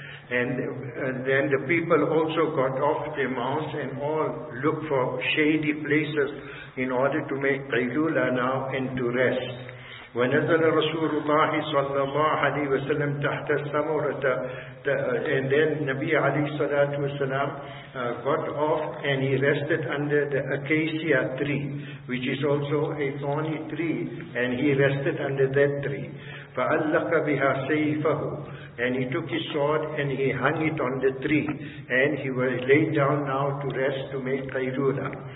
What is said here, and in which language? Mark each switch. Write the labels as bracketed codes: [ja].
[en] And then the people also got off their mounts and all looked for shady places in order to make Qaylula now and to rest. [ar] ونزل رسول الله صلى الله عليه وسلم تحت الثمرة. [en] And then Nabi [ar] عليه الصلاة والسلام [en] got off and he rested under the acacia tree, which is also a thorny tree, and he rested under that tree. [ar] فَعَلَّقَ بِهَا سَيْفَهُ. [en] And he took his sword and he hung it on the tree, and he was laid down now to rest to make Qaylula.